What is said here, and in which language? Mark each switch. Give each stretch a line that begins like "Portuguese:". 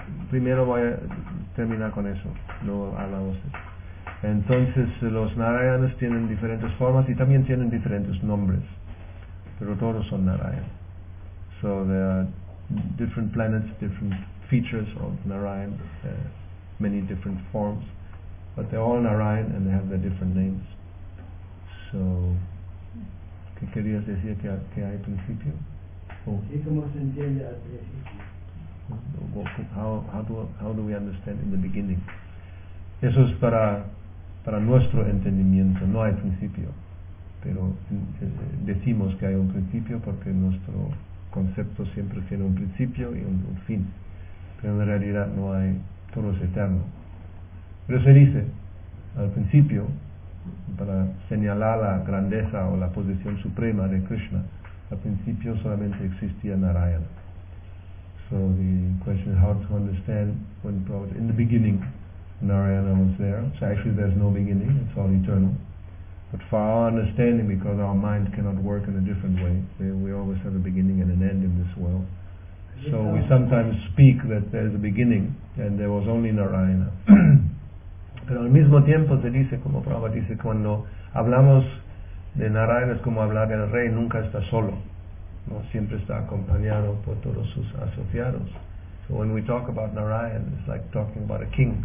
Spanish: Primero voy a terminar con eso, luego hablamos de eso. Entonces los Narayanas tienen diferentes formas y también tienen diferentes nombres, pero todos son Narayana.
English: So there are different planets, different features of Narayana, many different forms, but they're all Narayana and they have their different names.
Spanish: So, ¿qué querías decir que hay principio?
English: How do we understand in the beginning?
Spanish: Eso es para nuestro entendimiento. No hay principio, pero decimos que hay un principio porque nuestro concepto siempre tiene un principio y un fin. Pero en realidad no hay, todo es eterno. Pero se dice al principio, para señalar la grandeza o la posición suprema de Krishna, al principio solamente existía Narayana.
English: So the question is how to understand when Prabhupada, in the beginning, Narayana was there. So actually there's no beginning, it's all eternal. But for our understanding, because our mind cannot work in a different way, we always have a beginning and an end in this world. So we sometimes speak that there's a beginning and there was only Narayana.
Spanish: Pero al mismo tiempo se dice, como Prabhupada dice, cuando hablamos de Narayana es como hablar del rey, nunca está solo. No, siempre está acompañado por todos sus asociados.
English: So when we talk about Narayana, it's like talking about a king.